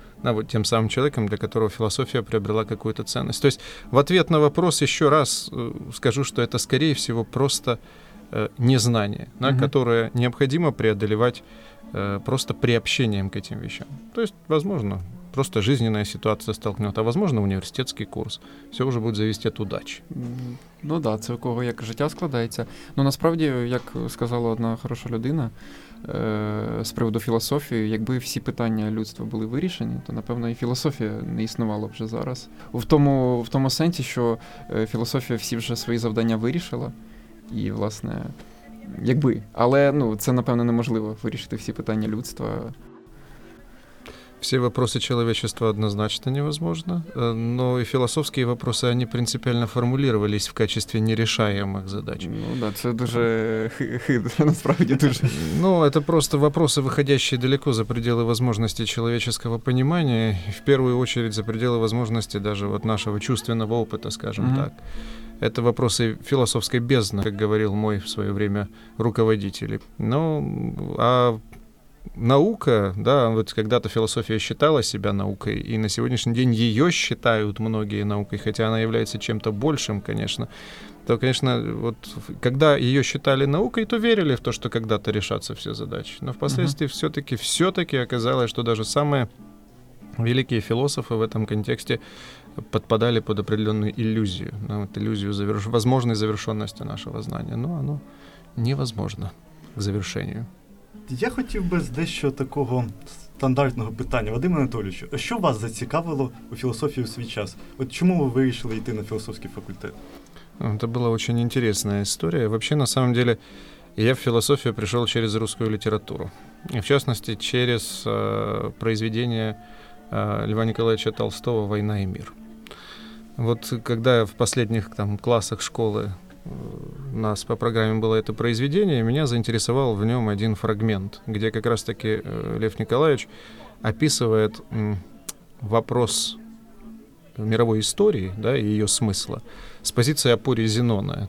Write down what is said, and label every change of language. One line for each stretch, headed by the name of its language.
Russian: да, вот тем самым человеком, для которого философия приобрела какую-то ценность. То есть в ответ на вопрос еще раз скажу, что это, скорее всего, просто незнание, да, которое необходимо преодолевать просто приобщением к этим вещам. То есть, возможно, просто жизненная ситуация столкнет, а возможно, университетский курс. Все уже будет зависеть от удачи.
Ukrainian: Ну да, це у кого як життя складається. Ну насправді, як сказала одна хороша людина з приводу філософії, якби всі питання людства були вирішені, то, напевно, і філософія не існувала б вже зараз. В тому сенсі, що філософія всі вже свої завдання вирішила, і, власне, якби. Але, ну, це, напевно, неможливо вирішити всі питання людства.
Russian: Все вопросы человечества однозначно невозможно, но и философские вопросы, они принципиально формулировались в качестве нерешаемых задач.
Ukrainian: Ну да, это дуже насправді дуже.
Russian: Ну, это просто вопросы, выходящие далеко за пределы возможностей человеческого понимания, в первую очередь за пределы возможности даже вот нашего чувственного опыта, скажем так. Это вопросы философской бездны, как говорил мой в свое время руководитель. Ну, а наука, да, вот когда-то философия считала себя наукой, и на сегодняшний день ее считают многие наукой, хотя она является чем-то большим, конечно. То, конечно, вот когда ее считали наукой, то верили в то, что когда-то решатся все задачи. Но впоследствии все-таки оказалось, что даже самые великие философы в этом контексте подпадали под определенную иллюзию, ну, вот иллюзию возможной завершенности нашего знания. Но оно невозможно к завершению.
Ukrainian: Я хотів би з дещо такого стандартного питання. Вадим Анатолійович, що вас зацікавило у філософії у свій час? От чому ви вирішили йти на філософський факультет? Це була дуже цікава історія. Взагалі, на самом деле, я в філософію прийшов через русскую літературу.
Russian: В частности, через произведение Льва Николаевича Толстого «Война и мир». Вот когда в последних там, классах школы у нас по программе было это произведение, меня заинтересовал в нем один фрагмент, где как раз-таки Лев Николаевич описывает вопрос мировой истории, да, и ее смысла с позиции опоры Зенона.